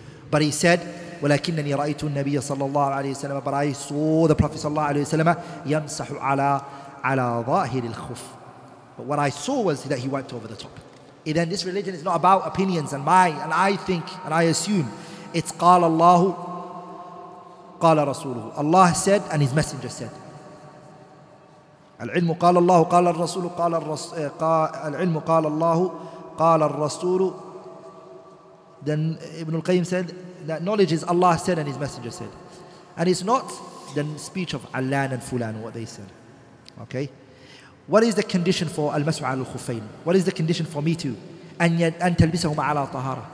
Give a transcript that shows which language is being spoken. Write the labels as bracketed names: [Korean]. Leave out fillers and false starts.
[English] But he said, [Arabic] ولكنني رأيت النبي صلى الله عليه وسلم, [English] but I saw the Prophet صلى الله عليه وسلم [Arabic] يمسح على ظاهر الخف, [English] but what I saw was that he wiped over the top. Then this religion is not about opinions and I think and I assume. It's [Arabic] قال الله قال رسوله. [English] Allah said and His Messenger said. [Arabic] العلم قال الله قال الرسول قال العلم قال الله قال الرسول. [English] Then Ibn al-Qayyim said that knowledge is Allah said and His Messenger said. And it's not the speech of Alan and Fulan, what they said. Okay? What is the condition for al-mas'u al-khufayn? What is the condition for me to? [Arabic] أن تلبسهما على طهارة.